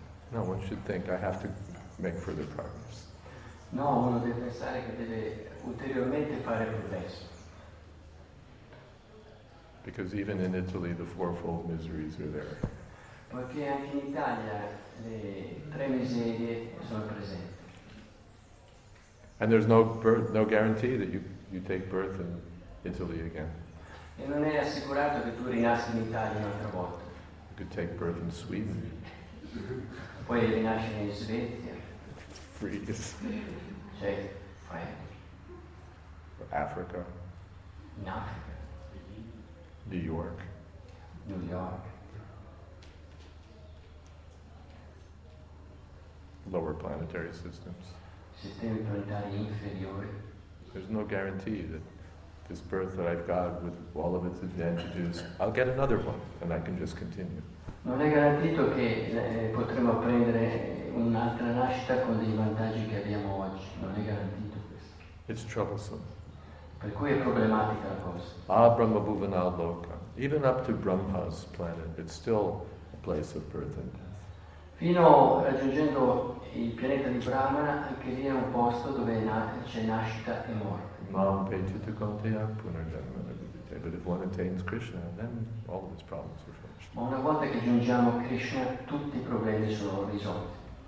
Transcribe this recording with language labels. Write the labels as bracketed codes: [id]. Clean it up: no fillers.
[en] No, one should think I have to make further progress. [it] No, uno deve pensare che deve ulteriormente fare progresso. [en] Because even in Italy the fourfold miseries are there. [it] Perché anche in Italia le tre miserie sono presenti. [en] And there's no birth, no guarantee that you take birth in Italy again. [it] E non è assicurato che tu rinasci in Italia un'altra volta. [en] You could take birth in Sweden. [it] Puoi rinascere in Svezia. [en] Freeze. [it] Cioè, freddo. [en] Africa. [it] In Africa. [en] New York. New York. Lower planetary systems. [it] Sistemi planetari inferiori. [en] There's no guarantee that this birth that I've got with all of its advantages, I'll get another one and I can just continue. [it] Non è garantito che potremo prendere un'altra nascita con dei vantaggi che abbiamo oggi. Non è garantito questo. [en] It's troublesome. [it] Per cui è problematica la cosa. [sa] Ah, Brahma Bhuvanal Loka. [en] Even up to Brahma's planet, it's still a place of birth and death. [it] Fino raggiungendo il pianeta di Brahmana, anche lì è un posto dove c'è nascita e morte. [sa] Mam pecita kanteya punarjanma nabhidhite. [en] But if one attains Krishna, then all of his problems are finished. [it] Ma una volta che giungiamo a Krishna, tutti i problemi sono risolti.